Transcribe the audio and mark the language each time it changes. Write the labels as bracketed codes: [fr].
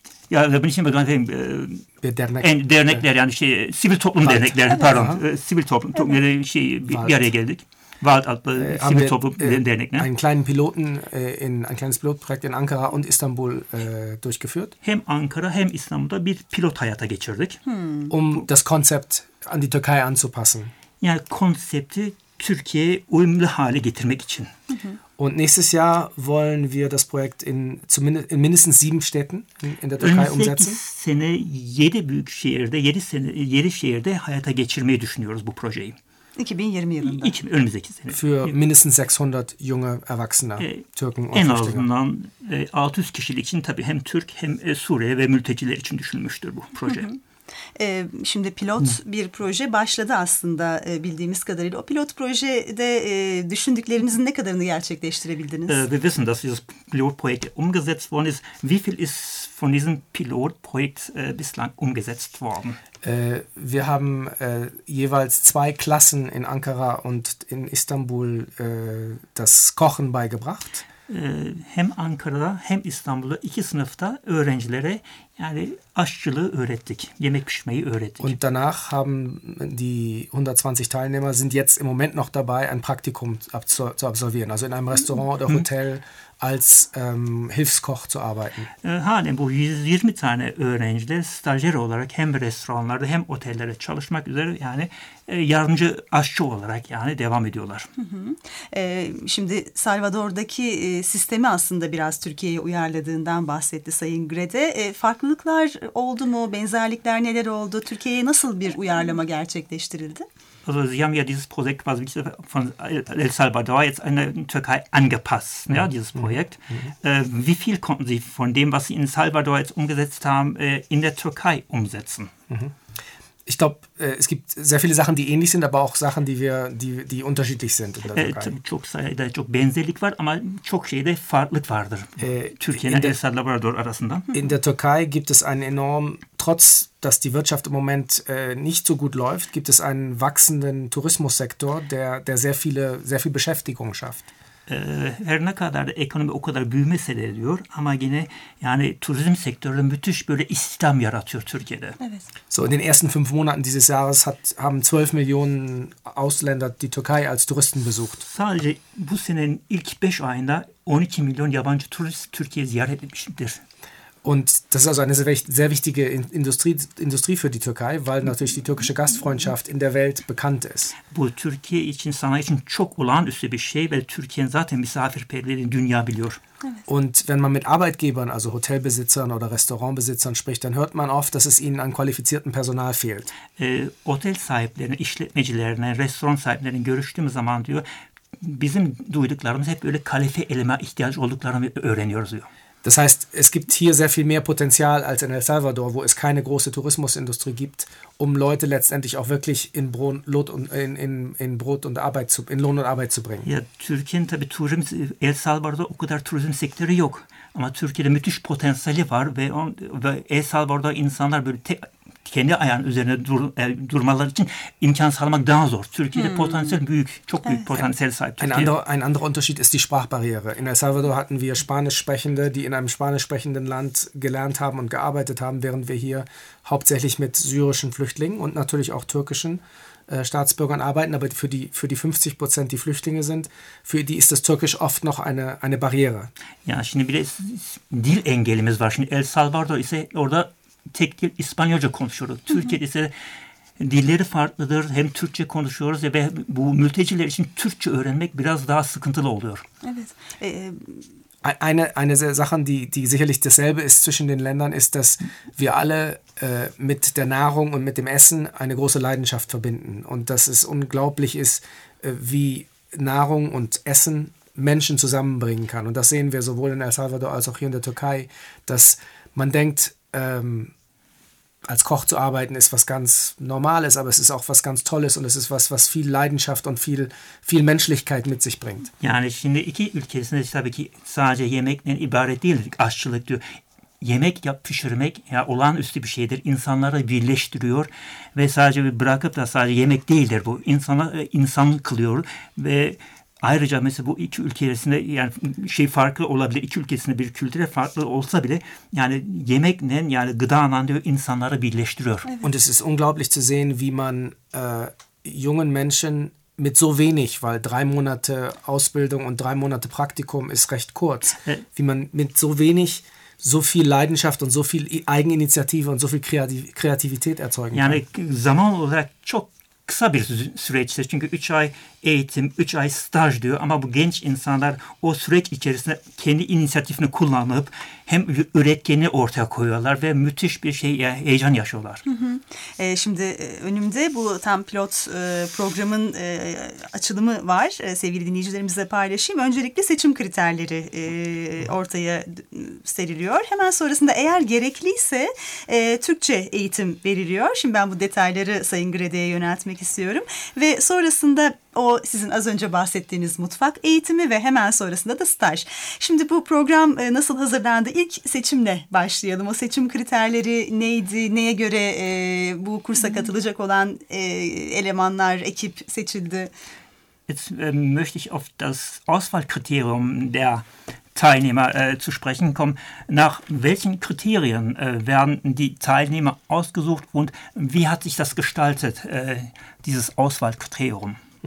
[de] Ja, da bin ich immer ganz [tr] dernekler yani şey, sivil toplum WALT. Dernekleri, pardon. Sivil toplum yani şey, bir araya geldik. WALT adlı sivil toplum dernekler. [de] Einen kleinen Piloten, ein kleines Pilotprojekt in Ankara und Istanbul durchgeführt. [tr] Hem Ankara hem İstanbul'da bir pilot hayata geçirdik. [de] Das Konzept an die Türkei anzupassen. Ja, Konzepte [tr] Türkiye uyumlu hale getirmek için. [de] Und nächstes Jahr wollen wir das Projekt in mindestens 7 Städten in der Türkei umsetzen. [tr] Önümüzdeki sene 7 büyük şehirde, 7 şehirde hayata geçirmeyi düşünüyoruz bu projeyi. 2020 yılında. Önümüzdeki sene. [de] Für mindestens 600 junge Erwachsene, Türken und Flüchtlinge. [tr] En azından 600 kişilik için tabii hem Türk hem Suriye ve mülteciler için düşünülmüştür bu proje. Şimdi pilot bir proje başladı aslında bildiğimiz kadarıyla. O pilot projede düşündüklerinizin ne kadarını gerçekleştirebildiniz? [de] Wir wissen, dass dieses Pilotprojekt umgesetzt worden ist. Wie viel ist von diesem Pilotprojekt bislang umgesetzt worden? Wir haben jeweils 2 Klassen in Ankara und in Istanbul das Kochen beigebracht. [tr] Hem Ankara'da hem İstanbul'da 2 sınıfta öğrencilere yani aşçılığı öğrettik, yemek pişmeyi öğrettik. [de] Und danach haben die 120 Teilnehmer sind jetzt im Moment noch dabei ein Praktikum zu absolvieren, also in einem Restaurant oder Hotel als Hilfskoch zu arbeiten. [tr] Halen bu 120 tane öğrencide stajyer olarak hem restoranlarda hem otellerde çalışmak üzere yani yardımcı aşçı olarak yani devam ediyorlar. Şimdi Salvador'daki sistemi aslında biraz Türkiye'ye uyarladığından bahsetti Sayın Grede. Farklılıklar oldu mu? Benzerlikler neler oldu? Türkiye'ye nasıl bir uyarlama gerçekleştirildi? [de] Also Sie haben ja dieses Projekt quasi von El Salvador jetzt in der Türkei angepasst, ja, dieses Projekt. Wie viel konnten Sie von dem, was Sie in Salvador jetzt umgesetzt haben, in der Türkei umsetzen? Ich glaube, es gibt sehr viele Sachen, die ähnlich sind, aber auch Sachen, die unterschiedlich sind in der Türkei. [tr] Çok sayıda çok benzerlik var ama çok şeyde farklılık vardır. Türkiye'nin El Salvador arasında. [de] In der Türkei gibt es einen enormen, trotz dass die Wirtschaft im Moment nicht so gut läuft, gibt es einen wachsenden Tourismussektor, der sehr viel Beschäftigung schafft. [tr] Her ne kadar da ekonomi o kadar büyümese de diyor ama yine yani turizm sektörü müthiş böyle istihdam yaratıyor Türkiye'de. Evet. [de] So in den ersten 5 Monaten dieses Jahres haben 12 Millionen Ausländer die Türkei als Touristen besucht. [tr] Sadece bu senenin ilk 5 ayında 12 milyon yabancı turist Türkiye ziyaret etmiştir. [de] Und das ist also eine sehr wichtige Industrie für die Türkei, weil natürlich die türkische Gastfreundschaft in der Welt bekannt ist. [tr] Bu Türkiye için sanayi için çok olağanüstü bir şey ve Türkiye'nin zaten misafirperverliğini dünya biliyor. [de] Und wenn man mit Arbeitgebern, also Hotelbesitzern oder Restaurantbesitzern spricht, dann hört man oft, dass es ihnen an qualifiziertem Personal fehlt. [tr] Otel sahiplerine, işletmecilerine, restoran sahiplerine görüştüğümüz zaman diyor, bizim duyduklarımız hep böyle kalifiye eleme ihtiyacı olduklarını öğreniyoruz diyor. [de] Das heißt, es gibt hier sehr viel mehr Potenzial als in El Salvador, wo es keine große Tourismusindustrie gibt, um Leute letztendlich auch wirklich in Lohn und Arbeit zu bringen. [tr] Ja, Türkiye'nin tabii El Salvador'da o kadar turizm sektörü yok. Ama Türkiye'de müthiş potansiyeli var ve El Salvador'da insanlar böyle kendi ayağının üzerine durmaları için imkan sağlamak daha zor. Türkiye'de potansiyel büyük, çok büyük potansiyel sahip Türkiye. [de] Ein anderer Unterschied ist die Sprachbarriere. In El Salvador hatten wir Spanisch sprechende, die in einem spanisch sprechenden Land gelernt haben und gearbeitet haben, während wir hier hauptsächlich mit syrischen Flüchtlingen und natürlich auch türkischen Staatsbürgern arbeiten, aber für die 50%, die Flüchtlinge sind, für die ist das Türkisch oft noch eine Barriere. [tr] Ja, şimdi bir de dil engelimiz var. Şimdi El Salvador ise orada tek dil İspanyolca konuşuyoruz. Türkiye'de ise dilleri farklıdır. Hem Türkçe konuşuyoruz ve bu mülteciler için Türkçe öğrenmek biraz daha sıkıntılı oluyor. Evet. [de] Eine der Sachen, die sicherlich dasselbe ist zwischen den Ländern, ist, dass wir alle mit der Nahrung und mit dem Essen eine große Leidenschaft verbinden. Und dass es unglaublich ist, wie Nahrung und Essen Menschen zusammenbringen kann. Und das sehen wir sowohl in El Salvador als auch hier in der Türkei, dass man denkt, als Koch zu arbeiten ist was ganz Normales, aber es ist auch was ganz Tolles und es ist was viel Leidenschaft und viel Menschlichkeit mit sich bringt. [tr] Yani şimdi iki ülkesinde tabii ki sadece yemekle ibaret değil, aşçılık diyor. Yemek yap pişirmek ya olağanüstü bir şeydir. İnsanları birleştiriyor ve sadece bırakıp da sadece yemek değildir bu. İnsana insan kılıyor ve ayrıca mesela bu iki ülkesinde yani şey farklı olabilir. İki ülkesinde bir kültüre farklı olsa bile yani yemekle yani gıdanla diyor insanları birleştiriyor. Evet. [de] Und es ist unglaublich zu sehen, wie man jungen Menschen mit so wenig, weil 3 Monate Ausbildung und 3 Monate Praktikum ist recht kurz, wie man mit so wenig so viel Leidenschaft und so viel Eigeninitiative und so viel Kreativität erzeugen kann. [tr] Yani zaman olarak çok ksabir süreç çünkü 3 ay eğitim, 3 ay staj diyor ama bu genç insanlar o süreç içerisinde kendi inisiyatifini kullanıp hem üretkeni ortaya koyuyorlar ve müthiş bir şey heyecan yaşıyorlar. Hı hı. Şimdi önümde bu tam pilot programın açılımı var. Sevgili dinleyicilerimizle paylaşayım. Öncelikle seçim kriterleri ortaya seriliyor. Hemen sonrasında eğer gerekliyse Türkçe eğitim veriliyor. Şimdi ben bu detayları Sayın Grede'ye yöneltmek istiyorum. Ve sonrasında o sizin az önce bahsettiğiniz mutfak eğitimi ve hemen sonrasında da staj. Şimdi bu program nasıl hazırlandı? İlk seçimle başlayalım. O seçim kriterleri neydi? Neye göre bu kursa katılacak olan elemanlar, ekip seçildi? [de] Jetzt möchte ich auf das Auswahlkriterium der Teilnehmer zu sprechen kommen. Nach welchen Kriterien werden die Teilnehmer ausgesucht und wie hat sich das gestaltet, dieses Auswahlkriterium?